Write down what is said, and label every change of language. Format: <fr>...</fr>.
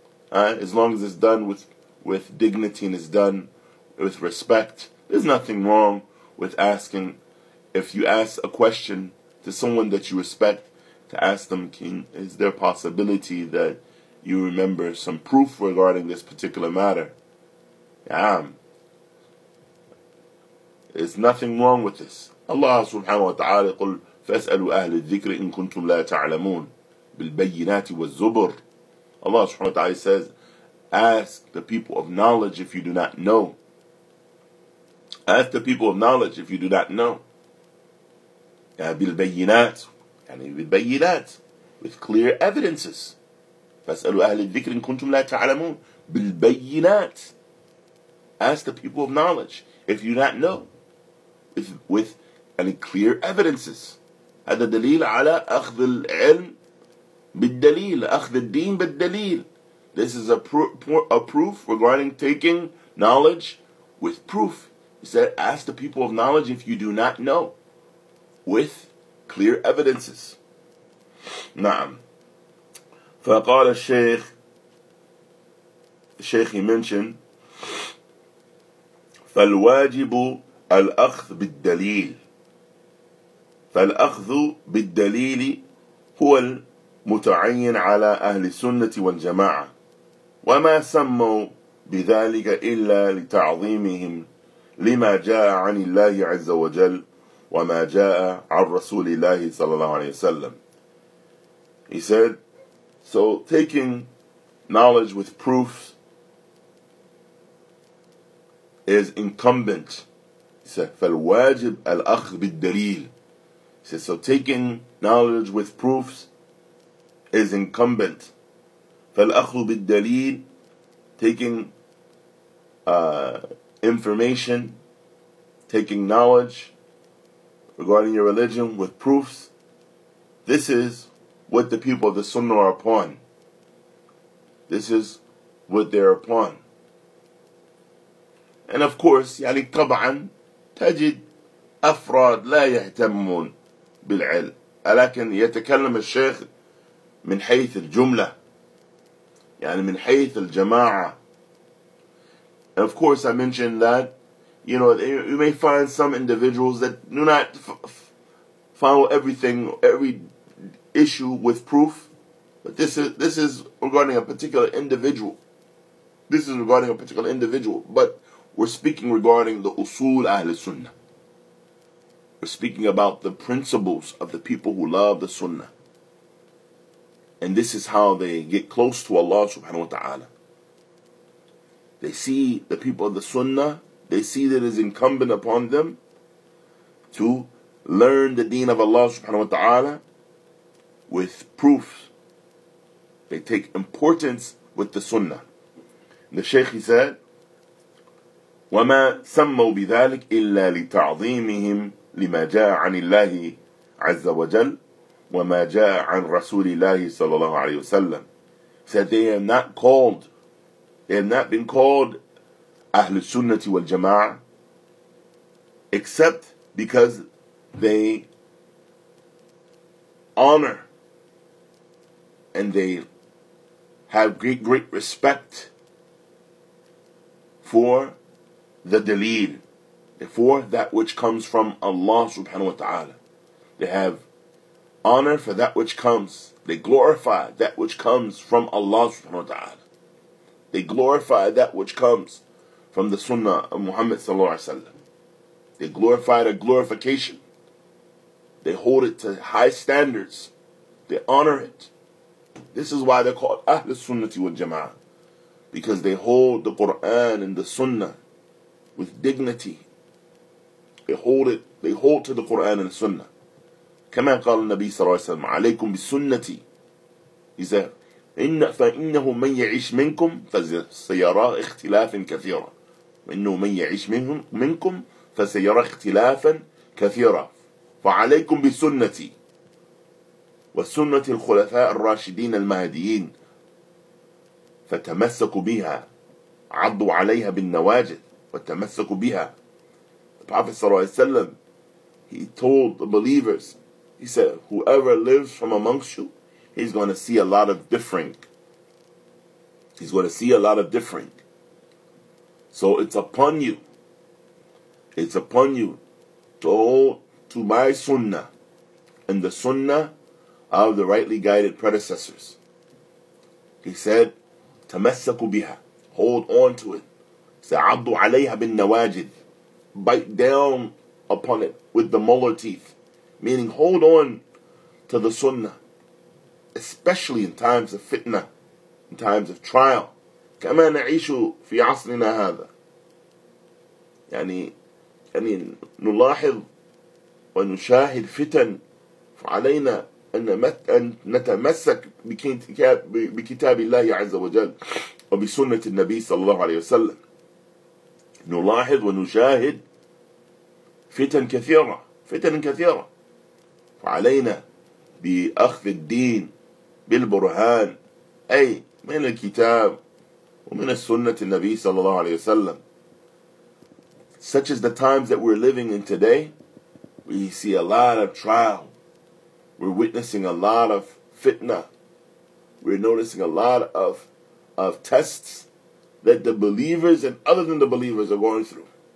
<en>As long as it's done with dignity and it's done with respect, there's nothing wrong with asking. If you ask a question to someone that you respect, to ask them, is there a possibility that you remember some proof regarding this particular matter? Yeah. There's nothing wrong with this.</en> <ar>Allah subhanahu wa ta'ala قل فاسألوا أهل الذكر إن كنتم لا تعلمون بالبينات والزبر.</ar> <en>Allah subhanahu wa ta'ala says, ask the people of knowledge if you do not know. Ask the people of knowledge if you do not know.</en> <ar>بالبينات يعني بالبينات,</ar> <en>with clear evidences.</en> <ar>فاسألوا أهل الذكر إن كنتم لا تعلمون بالبينات.</ar> <en>Ask the people of knowledge if you do not know, with any clear evidences.</en> <ar>هذا دليل على أخذ العلم بالدليل, أخذ الدين بالدليل.</ar> <en>This is a proof regarding taking knowledge with proof. He said, ask the people of knowledge if you do not know, with clear evidences.</en> <ar>نعم. فقال الشيخ, الشيخ</ar> <en>he mentioned,</en> <ar>فالواجب الأخذ بالدليل. فالأخذ بالدليل هو المتعين على أهل السنة والجماعة وما سموا بذلك إلا لتعظيمهم لما جاء عن الله عز وجل وما جاء عن رسول الله صلى الله عليه وسلم.</ar> <en>He said, so taking knowledge with proof is incumbent. He said,</en> <ar>فالواجب الأخذ بالدليل.</ar> <en>He said, so taking knowledge with proofs is incumbent.</en> <ar>فالأخذ بالدليل,</ar> <en>taking information, taking knowledge regarding your religion with proofs, this is what the people of the Sunnah are upon. This is what they're upon. And of course,</en> <ar>يعني طبعا تجد أفراد لا يهتمون بالعلم لكن يتكلم الشيخ من حيث الجملة يعني من حيث الجماعة.</ar> <en>And of course I mentioned that, you know, you may find some individuals that do not follow everything, every issue with proof, but this is regarding a particular individual. This is regarding a particular individual, but we're speaking regarding the usul Ahlul Sunnah. We're speaking about the principles of the people who love the Sunnah. And this is how they get close to Allah subhanahu wa ta'ala. They see the people of the Sunnah, they see that it is incumbent upon them to learn the deen of Allah subhanahu wa ta'ala with proofs. They take importance with the Sunnah. And the Shaykh, he said,</en> <ar>وما سموا بذلك إلا لتعظيمهم لما جاء عن الله عز وجل وما جاء عن رسول الله صلى الله عليه وسلم.</ar> <en>Said they have not called, they have not been called</en> <ar>أهل السنة والجماعة</ar> <en>except because they honor and they have great respect for the Dalil, for that which comes from Allah subhanahu wa ta'ala. They have honor for that which comes. They glorify that which comes from Allah subhanahu wa ta'ala. They glorify that which comes from the sunnah of Muhammad sallallahu alayhi wa sallam. They glorify the glorification. They hold it to high standards. They honor it. This is why they're called Ahlus Sunnati wal Jama'ah. Because they hold the Qur'an and the sunnah with dignity. They hold to the Qur'an and the sunnah.</en> <ar>كما قال النبي صلى الله عليه وسلم عليكم بسنتي.</ar> <en>He said,</en> <ar>فإنه من يعيش منكم فسيرى اختلافا كثيرا. إنه من يعيش منكم فسيرى اختلافا كثيرا. فعليكم بسنتي وسنة الخلفاء الراشدين المهديين فتمسكوا بها عضوا عليها بالنواجذ وتمسكوا بها.</ar> <en>The Prophet</en> <ar>صلى الله عليه وسلم,</ar> <en>he told the believers, he said, whoever lives from amongst you, he's going to see a lot of differing. He's going to see a lot of differing. So it's upon you. It's upon you to hold to my sunnah and the sunnah of the rightly guided predecessors. He said,</en> <ar>تَمَسَّكُ بِهَا,</ar> <en>hold on to it.</en> <ar>سَعَضُ عَلَيْهَا بِالنَّوَاجِدِ,</ar> <en>bite down upon it with the molar teeth. Meaning, hold on to the sunnah, especially in times of fitna, in times of trial.</en> <ar>كَمَا نَعِيشُ فِي عَصْرِنَا هَذَا. يعني نلاحظ ونشاهد فتن, فعلينا أن نتمسك بكتاب الله عز وجل وبسنة النبي صلى الله عليه وسلم. نلاحظ ونشاهد فتن كثيرة, فعلينا بأخذ الدين بالبرهان, أي من الكتاب ومن السنة النبي صلى الله عليه وسلم.</ar> <en>Such as the times that we're living in today, we see a lot of trial. We're witnessing a lot of fitna. We're noticing a lot of tests that the believers and other than the believers are going through.</en>